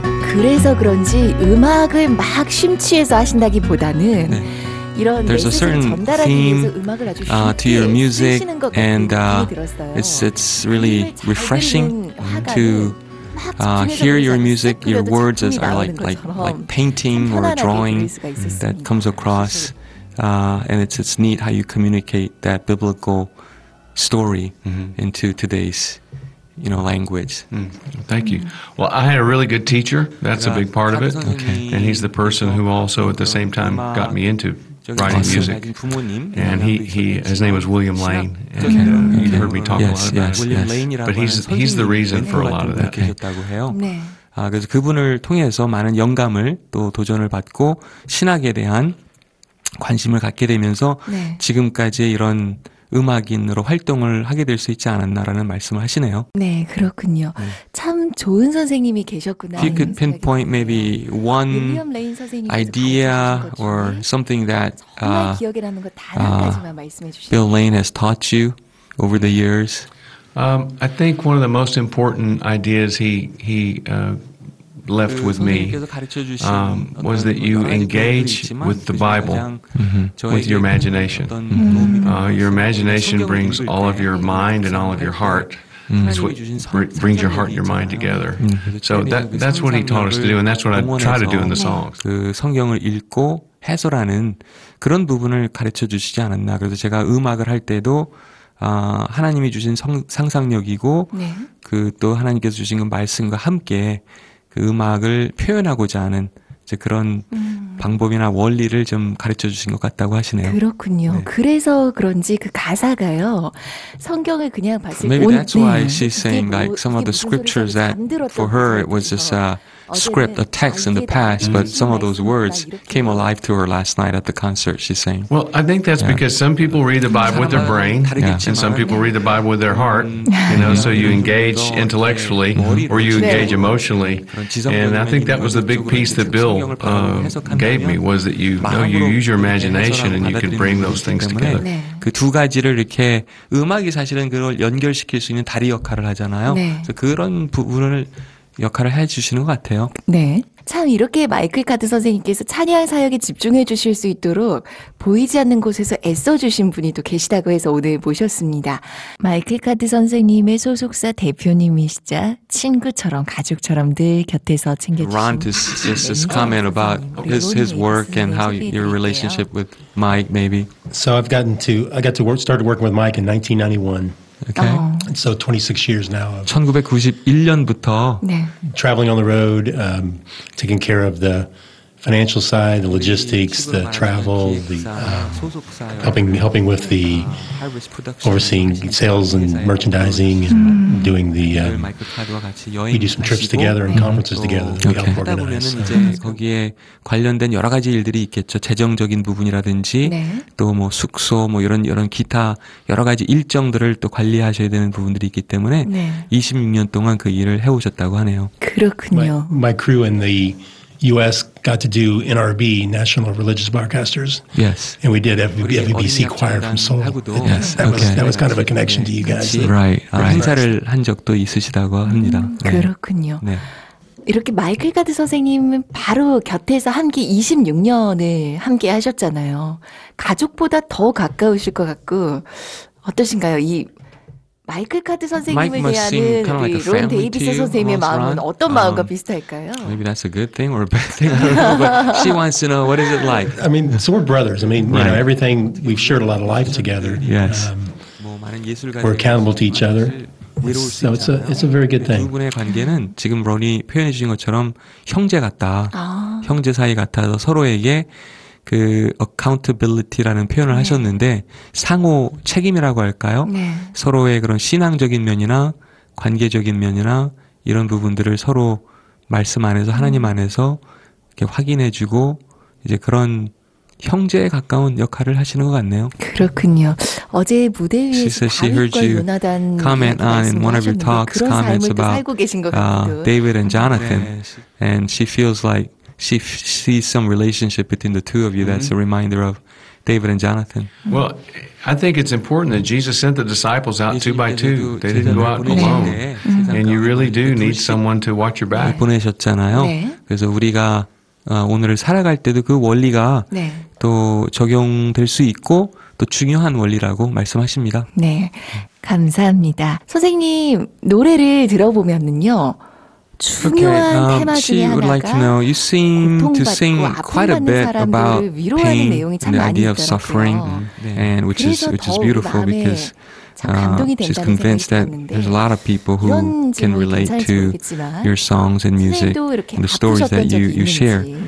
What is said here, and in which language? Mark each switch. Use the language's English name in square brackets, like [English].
[Korean] 그래서 그런지 음악을 막 심취해서 하신다기보다는 이런 [English] There's a certain theme to your music, and it's really refreshing to hear your music. Your words are like painting or a drawing that comes across, and it's neat how you communicate that biblical story into today's, you know, language. Thank you. Well, I had a really good teacher. That's a big part of it. Okay. And he's the person who also at the same time got me into writing music. And he his name was William Lane. And you heard me talk a lot about it. But he's the reason for a lot of that. Okay. [Korean] 그래서 그분을 통해서 많은 영감을 또 도전을 받고 신학에 대한 관심을 갖게 되면서 지금까지 이런 음악인으로 활동을 하게 될 수 있지 않았나라는 말씀을 하시네요. 네, 그렇군요. 참 좋은 선생님이 계셨구나. [English] If you could pinpoint maybe one idea or something that Bill Lane has taught you over the years. I think one of the most important ideas he left with me was that you engage with the Bible with your imagination. Your imagination brings all of your mind and all of your heart. That's what brings your heart and your mind together. So that's what he taught us to do, and that's what I try to do in the songs. [Korean] 그 성경을 읽고 해설하는 그런 부분을 가르쳐 주시지 않았나. 그래서 제가 음악을 할 때도 하나님이 주신 상상력이고 그 또 하나님께서 주신 그 말씀과 함께 그 음악을 표현하고자 하는 이제 그런 방법이나 원리를 좀 가르쳐 주신 것 같다고 하시네요. 그렇군요. 네. 그래서 그런지 그 가사가요. 성경을 그냥 봤을 때 [English] Maybe that's why she's saying like some of the scriptures that for her it was just a script, a text in the past, but some of those words came alive to her last night at the concert, she's saying. Well, I think that's because some people read the Bible with their brain, and some people read the Bible with their heart, you know, so you engage intellectually or you engage emotionally. And I think that was the big piece that Bill gave me, was that you use your imagination and you can bring those things together. [Korean] 그 두 가지를 이렇게 음악이 사실은 그걸 연결시킬 수 있는 다리 역할을 하잖아요. 그래서 그런 부분을 역할을 해 주시는 것 같아요. 네. 참 이렇게 마이클 카드 선생님께서 찬양 사역에 집중해 주실 수 있도록 보이지 않는 곳에서 애써 주신 분이 또 계시다고 해서 오늘 모셨습니다. 마이클 카드 선생님의 소속사 대표님이시자 친구처럼 가족처럼 늘 곁에서 챙겨주신 [English] Ron just his comment about his work and how your relationship with Mike maybe. So I got to working with Mike in 1991. Okay. So 26 years now. [Korean] 1991년부터 [English] traveling on the road, taking care of the financial side, the logistics, the travel, the helping with the overseeing sales and merchandising, and doing the we do some trips together and conferences together. That we help organize. [Korean] 이제 거기에 관련된 여러 가지 일들이 있겠죠. 재정적인 부분이라든지 또 뭐 숙소 뭐 이런 기타 여러 가지 일정들을 또 관리하셔야 되는 부분들이 있기 때문에 26년 동안 그 일을 해오셨다고 하네요. 그렇군요. [English] My crew and the U.S. got to do NRB, National Religious Broadcasters. Yes. And we did FBC choir from Seoul. Yes. That was kind of a connection to you guys. Right. [Korean] 행사를 한 적도 있으시다고 합니다. 그렇군요. 네. 이렇게 마이클 카드 선생님은 바로 곁에서 함께 26년을 함께 하셨잖아요. 가족보다 더 가까우실 것 같고 어떠신가요? 이 마이클 카드 선생님을 대하는 [English] like [Korean] 론 데이비스 선생님의 마음은 [English] Ron? [Korean] 어떤 마음과 비슷할까요? [English] Maybe that's a good thing or a bad thing. I don't know, but she wants to know what is it like. I mean, so we're brothers. I mean, you know, everything we've shared a lot of life together. Yes. We're accountable to each other. So it's a very good thing. [Korean] 두 분의 관계는 지금 론이 표현해 주신 것처럼 형제 같다. 형제 사이 같아서 서로에게 그 accountability라는 표현을 하셨는데 상호 책임이라고 할까요? 서로의 그런 신앙적인 면이나 관계적인 면이나 이런 부분들을 서로 말씀 안에서 하나님 안에서 이렇게 확인해주고 이제 그런 형제에 가까운 역할을 하시는 것 같네요. 그렇군요. 어제 무대 위에서 다윗과 요나단 [English] comment on in one of your talks comments about David and Jonathan, and she feels like she sees some relationship between the two of you that's a reminder of David and Jonathan. Well, I think it's important that Jesus sent the disciples out two by two. They didn't go out alone. And you really do need someone to watch your back. [Korean] 보내셨잖아요. 그래서 우리가 오늘을 살아갈 때도 그 원리가 또 적용될 수 있고 또 중요한 원리라고 말씀하십니다. 네, 감사합니다. 선생님, 노래를 들어보면은요. [English] Okay, she would like to know, you seem to sing quite a bit about pain and the idea of suffering, and which is beautiful because she's convinced that there's a lot of people who can relate to your songs and music and the stories that you share.